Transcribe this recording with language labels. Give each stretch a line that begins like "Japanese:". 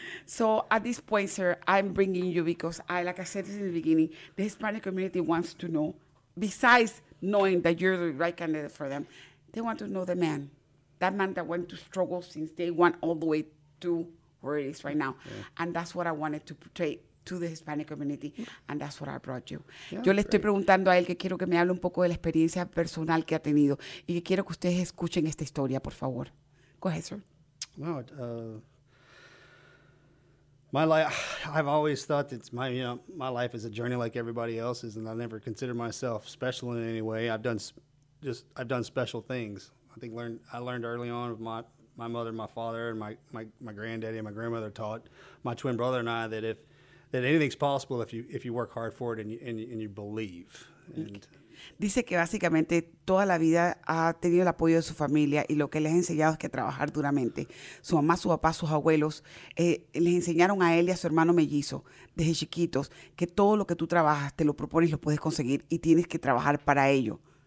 English: So at this point, sir, I'm bringing you because, like I said in the beginning, the Hispanic community wants to know, besides knowing that you're the right candidate for them, they want to know the man, that man that went to struggle since day one all the way to where it is right now. Yeah. And that's what I wanted to portray to the Hispanic community, and that's what I brought you.
Spanish: Yeah, yo le estoy preguntando a él que quiero que me hable un poco de la experiencia personal que ha tenido y que quiero que ustedes escuchen esta historia, por favor.
English: Go ahead, sir. Well, my life, I've always thought that my life is a journey like everybody else's, and I never consider myself special in any way. I've done special things. I learned early on with my mother and my father and my granddaddy and my grandmother taught my twin brother and I that anything's possible if you work hard for it and you believe. And
Spanish: dice que básicamente toda la vida ha tenido el apoyo de su familia y lo que les ha enseñado es que trabajar duramente. Su mamá, su papá, sus abuelos les enseñaron a él y a su hermano mellizo desde chiquitos que todo lo que tú trabajas, te lo propones, lo puedes conseguir y tienes que trabajar para ello.